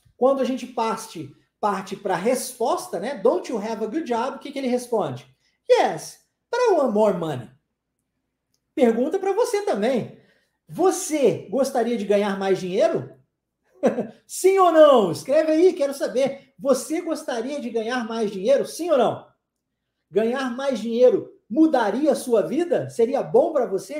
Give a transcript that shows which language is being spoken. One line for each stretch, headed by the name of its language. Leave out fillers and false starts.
Portuguese: Quando a gente parte para a resposta, né?
English: Don't you have a good job?
Portuguese: O que que ele responde?
English: Yes, but I want more money.
Portuguese: Pergunta para você também. Você gostaria de ganhar mais dinheiro? Sim ou não? Escreve aí, quero saber. Você gostaria de ganhar mais dinheiro? Sim ou não? Ganhar mais dinheiro mudaria a sua vida? Seria bom para você?